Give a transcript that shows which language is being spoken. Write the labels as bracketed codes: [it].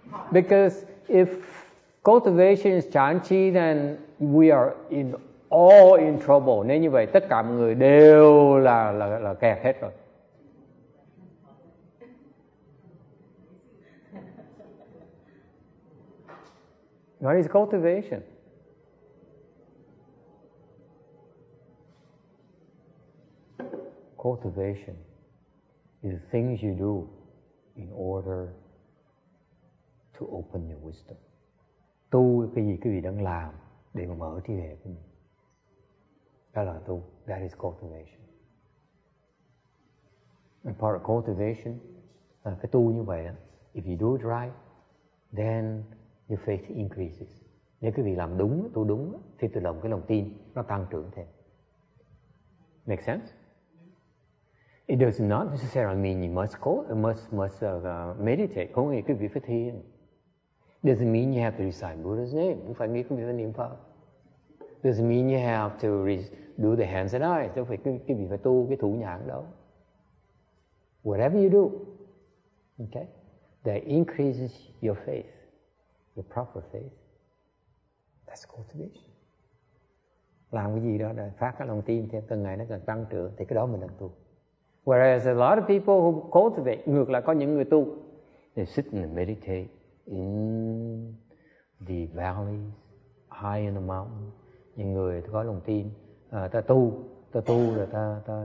[en] Because if cultivation is [vi] chán chi, [en] then we are in all in trouble. [vi] Nếu như vậy tất cả mọi người đều là kẹt hết rồi. [en] What is cultivation? Cultivation is the things you do in order to open your wisdom. [vi] Tu cái gì quý vị đang làm để mà mở trí huệ của mình. [en] That is cultivation. And part of cultivation, [vi] cái tu như vậy, [en] if you do it right, then your faith increases. [vi] Nếu quý vị làm đúng, tu đúng, thì tự động cái lòng tin nó tăng trưởng thêm. [en] Make sense? It does not necessarily mean you must meditate. [vi] Không nghĩ quý vị phải thiền. [en] It doesn't mean you have to recite Buddha's name. [vi] Không phải nghĩ quý vị phải niệm Phật. [en] Doesn't mean you have to do the hands and eyes. [vi] Đâu phải cái vị phải tu cái thủ nhãn đâu. [en] Whatever you do, okay, that increases your faith, your proper faith. That's cultivation. [vi] Làm cái gì đó để phát cái lòng tin thêm từng ngày nó càng tăng trưởng thì cái đó mình đang tu. [en] Whereas a lot of people who cultivate, [vi] ngược lại có những người tu, [en] they sit and meditate in the valleys, high in the mountain. [vi] Những người có lòng tin, ta tu rồi ta